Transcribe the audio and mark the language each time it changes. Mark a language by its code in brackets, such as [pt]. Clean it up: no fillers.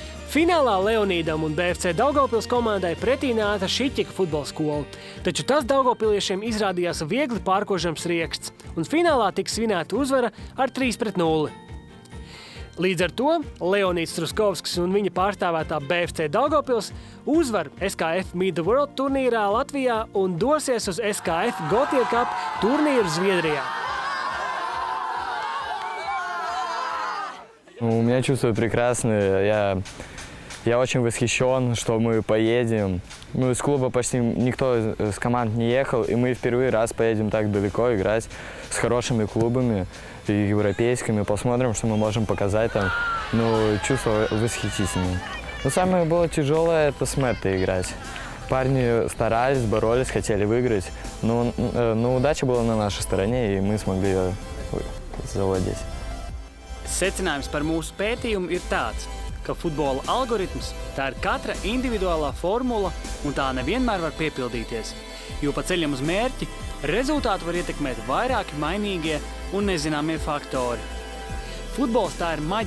[lv] Finālā Leonīdam un BFC Daugavpils komandai pretī nāca Šiķika futbola skola, taču tas daugavpiliešiem izrādījās viegli pārkožams rieksts, un finālā tika svinēta uzvara ar 3-0. Līdz ar to Leonīds Truskovskis un viņa pārstāvētā BFC Daugavpils uzvar SKF Meet the World turnīrā Latvijā un dosies uz SKF Gotie Cup turnīru Zviedrijā. [ru] Ну, я чувствую прекрасно. Я очень восхищен, что мы поедем. Ну, из клуба почти никто из команд не ехал, и мы впервые раз поедем так далеко играть с хорошими клубами и европейскими. Посмотрим, что мы можем показать там. Ну, чувство восхитительное. Но самое было тяжелое – это с Мэттой играть. Парни старались, боролись, хотели выиграть, но удача была на нашей стороне, и мы смогли ее завладеть. [lv] Secinājums par mūsu pētījumu ir tāds, ka futbola algoritms – tā ir katra individuālā formula un tā nevienmēr var piepildīties. Jo pa ceļam uz mērķi rezultātu var ietekmēt vairāki mainīgie un nezināmie faktori. Futbols tā ir maģiska spēle un beigās jebkurš var kļūt par profesionāli.